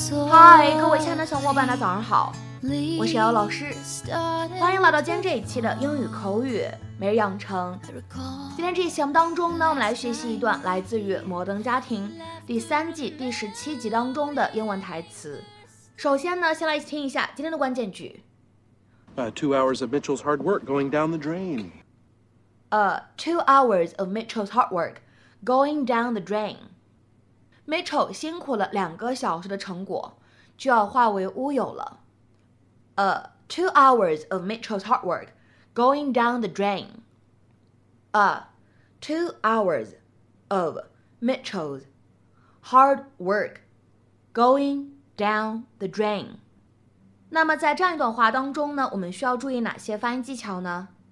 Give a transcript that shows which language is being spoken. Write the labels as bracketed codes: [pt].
[zh] 嗨，各位亲爱的小伙伴，大家早上好，我是姚老师，欢迎来到今天这一期的英语口语每日养成。今天这期节目当中呢，我们来学习一段来自于《摩登家庭》第三季第十七集当中的英文台词。首先呢，先来听一下今天的关键句。 [en] 2 hours of Mitchell's hard work going down the drain. Two hours of Mitchell's hard work going down the drain. [zh] Mitchell 辛苦了两个小时的成果就要化为乌有了。 [en] Two hours of Mitchell's hard work going down the drain. Two hours of Mitchell's hard work going down the drain. [zh] 那么在这样一段话当中呢，我们需要注意哪些发音技巧呢？